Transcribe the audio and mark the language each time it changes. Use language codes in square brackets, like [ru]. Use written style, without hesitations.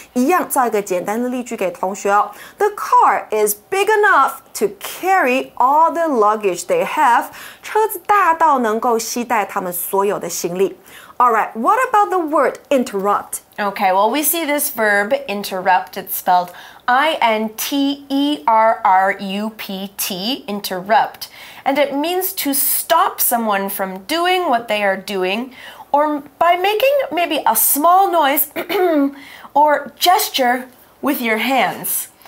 [zh] 一样造一个简单的例句给同学哦。 [en] The car is big enough to carry all the luggage they have. [zh] 车子大到能够携带他们所有的行李。 [en] All right, what about the word interrupt? Okay, well, we see this verb, interrupt, it's spelled I-N-T-E-R-R-U-P-T, interrupt. And it means to stop someone from doing what they are doing, or by making maybe a small noise or gesture with your hands.